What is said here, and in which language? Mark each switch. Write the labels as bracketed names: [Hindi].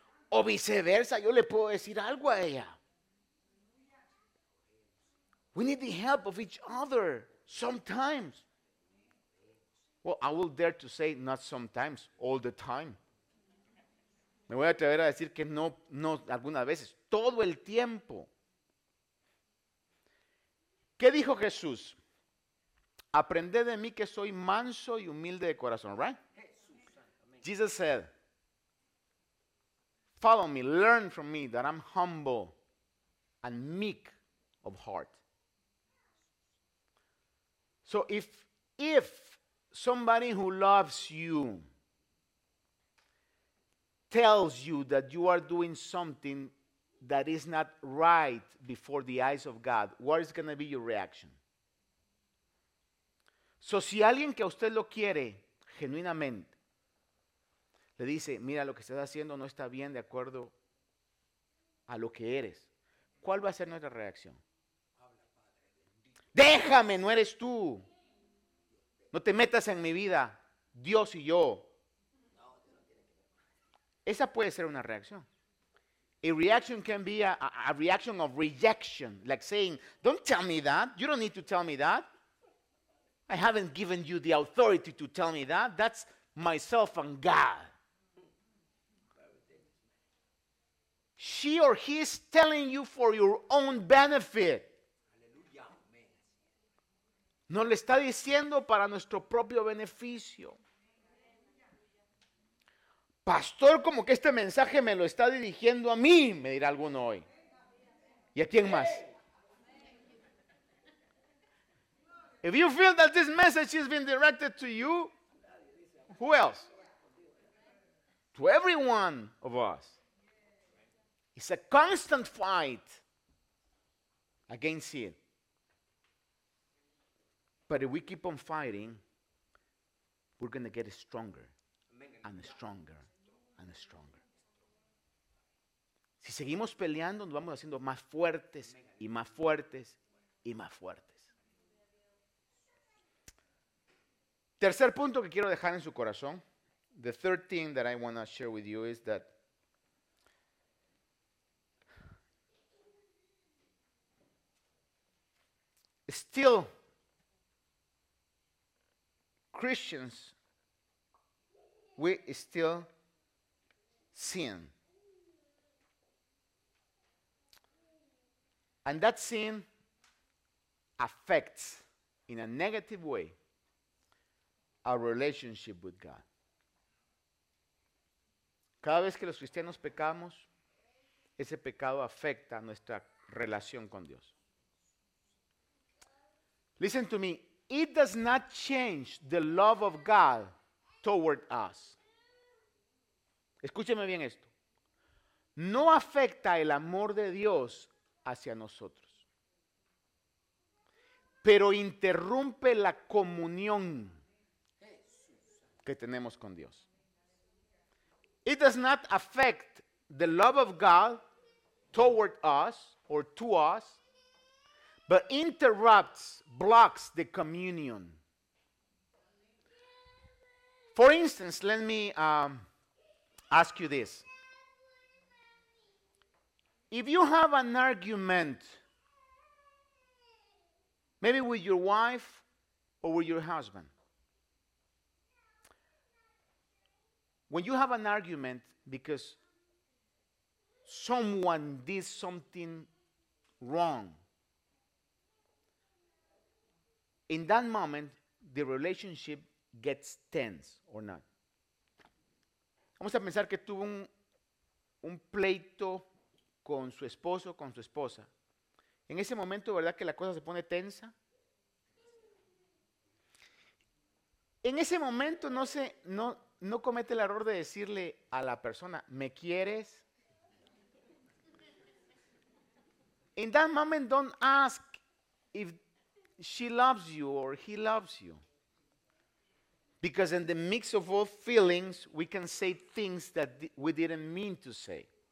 [Spanish] O viceversa, yo le puedo decir algo a ella. [English] We need the help of each other sometimes. Well, I will dare to say not sometimes, all the time. [Spanish] Me voy a atrever a decir que no algunas veces, todo el tiempo. ¿Qué dijo Jesús? Aprended de mí que soy manso y humilde de corazón, right? [English] Jesus said, follow me, learn from me that I'm humble and meek of heart. So if somebody who loves you tells you that you are doing something that is not right before the eyes of God, what is going to be your reaction? [Spanish] So si alguien que a usted lo quiere genuinamente le dice, mira, lo que estás haciendo no está bien de acuerdo a lo que eres, ¿cuál va a ser nuestra reacción? Déjame, no eres tú. No te metas en mi vida, Dios y yo. Esa puede ser una reacción. [English] A reaction can be a reaction of rejection. Like saying, don't tell me that. You don't need to tell me that. I haven't given you the authority to tell me that. That's myself and God. She or he is telling you for your own benefit. [Spanish] Nos le está diciendo para nuestro propio beneficio. Pastor, como que este mensaje me lo está dirigiendo a mí, me dirá alguno hoy. ¿Y a quién más? [English] If you feel that this message has been directed to you, who else? To every one of us. It's a constant fight against sin. But if we keep on fighting, we're going to get stronger and stronger and stronger. [Spanish] Si seguimos peleando, nos vamos haciendo más fuertes y más fuertes y más fuertes. Tercer punto que quiero dejar en su corazón. [English] The third thing that I want to share with you is that still Christians, we still sin. And that sin affects in a negative way our relationship with God. [Spanish] Cada vez que los cristianos pecamos, ese pecado afecta nuestra relación con Dios. [English] Listen to me. It does not change the love of God toward us. [Spanish] Escúcheme bien esto. No afecta el amor de Dios hacia nosotros. Pero interrumpe la comunión que tenemos con Dios. [English] It does not affect the love of God toward us or to us, but interrupts, blocks the communion. For instance, let me ask you this. If you have an argument, maybe with your wife or with your husband, when you have an argument because someone did something wrong, in that moment, the relationship gets tense or not. [Spanish] Vamos a pensar que tuvo un pleito con su esposo, con su esposa. En ese momento, ¿verdad que la cosa se pone tensa? En ese momento, no comete el error de decirle a la persona, ¿me quieres? [English] In that moment, don't ask if she loves you or he loves you. Because in the mix of all feelings, we can say things that we didn't mean to say.